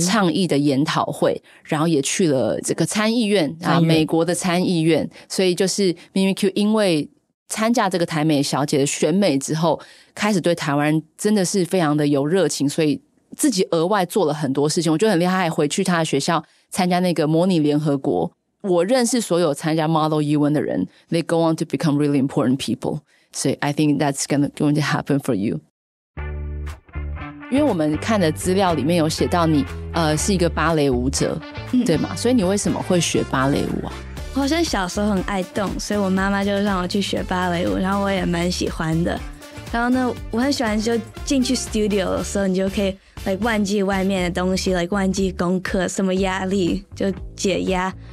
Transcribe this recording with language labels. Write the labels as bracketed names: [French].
[Chinese] 倡议的研讨会，然后也去了这个参议院啊，美国的参议院。所以就是 Mimi Q 因为参加这个台美小姐的选美之后，开始对台湾真的是非常的有热情，所以自己额外做了很多事情。我觉得很厉害，回去她的学校参加那个模拟联合国。我认识所有参加 [English] Model UN [Chinese] 的人 [English] ，They go on to become really important people， [Chinese] 所以 [English] I think that's going to happen for you。 [Chinese] 因为我们看的资料里面有写到你是一个芭蕾舞者，对吗？所以你为什么会学芭蕾舞啊？我好像小时候很爱动，所以我妈妈就让我去学芭蕾舞，然后我也蛮喜欢的。然后呢，我很喜欢就进去 studio 的时候，你就可以 like 忘记外面的东西， like 忘记功课什么压力，就解压。